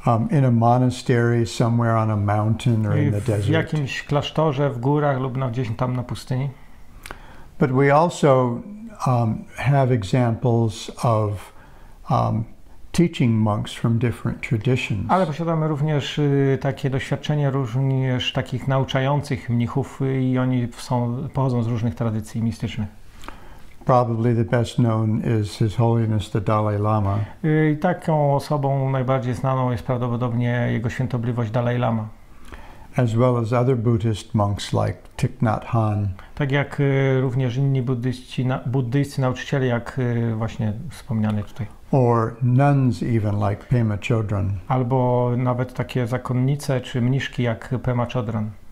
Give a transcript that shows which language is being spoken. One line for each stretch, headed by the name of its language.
English: In a monastery somewhere on a mountain or in the desert.
Polish: W jakimś klasztorze, w górach lub gdzieś tam na pustyni.
English: But we also have examples of teaching monks from different traditions.
Polish: Ale posiadamy również takie doświadczenie również takich nauczających mnichów i oni pochodzą z różnych tradycji mistycznych.
English: Probably the best known is His Holiness the Dalai Lama.
Polish: I taką osobą najbardziej znaną jest prawdopodobnie Jego Świętobliwość Dalai Lama.
English: As well as other Buddhist monks like Thich Nhat Hanh.
Polish: Tak jak również inni buddyjscy nauczyciele, jak właśnie wspomniany tutaj.
English: Or nuns even like Pema Chodron.
Polish: Albo nawet takie zakonnice czy mniszki jak Pema Chodron.